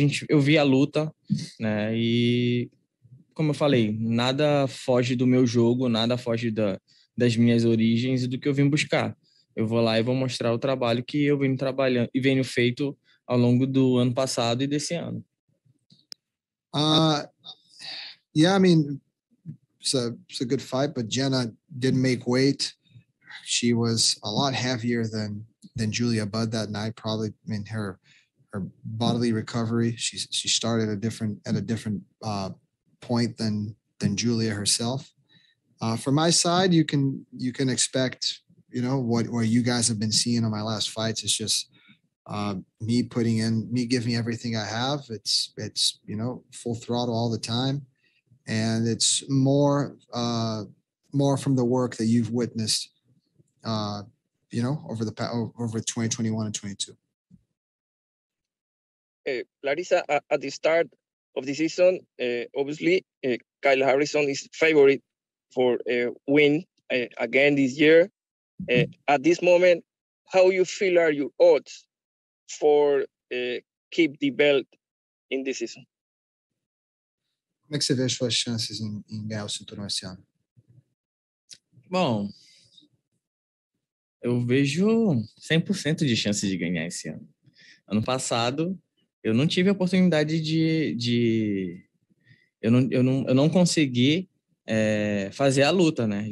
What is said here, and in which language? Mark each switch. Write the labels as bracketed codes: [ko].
[pt] Eu vi a luta, né, e como eu falei, nada foge do meu jogo, nada foge das minhas origens e do que eu vim buscar. Eu vou lá e vou mostrar o trabalho que eu venho trabalhando e venho feito ao longo do ano passado e desse ano. [en] It's a good fight, but Genah didn't make weight. She was a lot heavier than Julia Budd that night. Probably, I mean, her bodily recovery. She started at a different point than Julia herself. From my side, you can expect, you know, what you guys have been seeing on my last fights. It's just me giving everything I have. It's you know, full throttle all the time. And it's more from the work that you've witnessed, you know, over 2021 and 2022. Larissa, at the start of the season, obviously, Kyle Harrison is favorite for a win again this year. At this moment, how you feel are your odds for keep the belt in this season? [pt] Como é que você vê as suas chances em ganhar o cinturão esse ano? Bom, eu vejo 100% de chance de ganhar esse ano. Ano passado, eu não tive a oportunidade eu não consegui fazer a luta, né?